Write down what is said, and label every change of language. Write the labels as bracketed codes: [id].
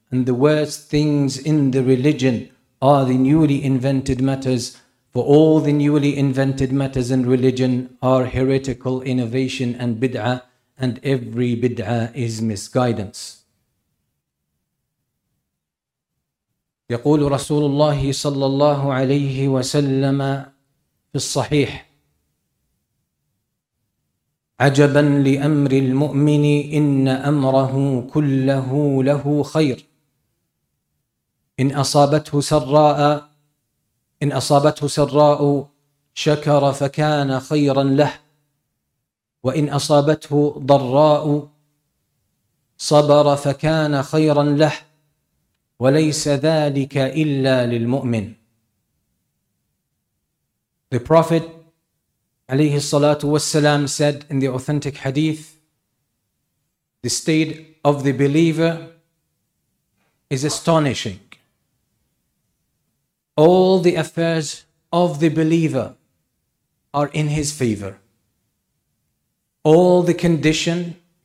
[en] And the worst things in the religion are the newly invented matters. For all the newly invented matters in religion are heretical innovation and bid'ah, and every bid'ah is misguidance. [ar] يقول رسول الله صلى الله عليه وسلم في الصحيح عجبا لأمر المؤمن إن أمره كله له خير إن أصابته سراء إن أصابته سراء شكر فكان خيرا له وإن أصابته ضراء صبر فكان خيرا له وليس ذلك إلا للمؤمن. [en] The Prophet [ar] عليه الصلاة والسلام [en] said in the authentic hadith, the state of the believer is astonishing. All the affairs of the believer are in his favor. All the condition,